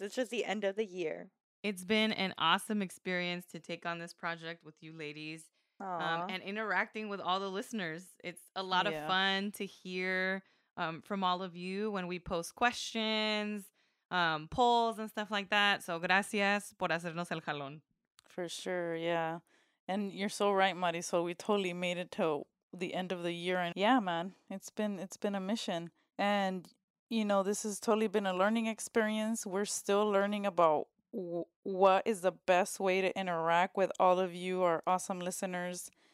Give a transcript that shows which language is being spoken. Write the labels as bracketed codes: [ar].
[en] It's just the end of the year. It's been an awesome experience to take on this project with you ladies. And interacting with all the listeners. It's a lot of fun to hear from all of you when we post questions, polls, and stuff like that. [es] So gracias por hacernos el jalón. [en] For sure, yeah. And you're so right, Marisol. We totally made it to the end of the year. And yeah, man, it's been a mission. And, you know, this has totally been a learning experience. We're still learning about what is the best way to interact with all of you, our awesome listeners.